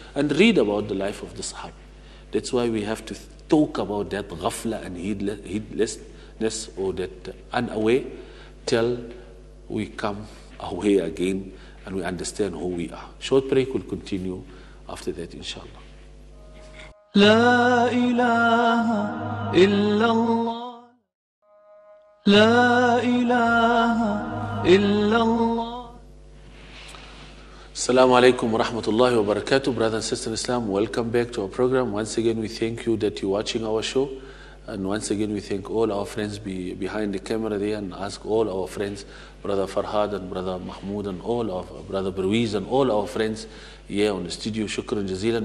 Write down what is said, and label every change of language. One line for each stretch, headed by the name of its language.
English: And read about the life of the Sahaba. That's why we have to talk about that ghafla and heedlessness or that unaware till we come away again and we understand who we are. Short break will continue after that, inshallah.
Arabic: لا إله إلا الله لا إله إلا الله. السلام عليكم ورحمة الله وبركاته.
English: Brother and sister in Islam, welcome back to our program. Once again we thank you that you're watching our show, and once again we thank all our friends behind the camera there, and ask all our friends, Brother Farhad and Brother Mahmoud and all of Brother Bruiz and all our friends here on the studio, shukran jazilan.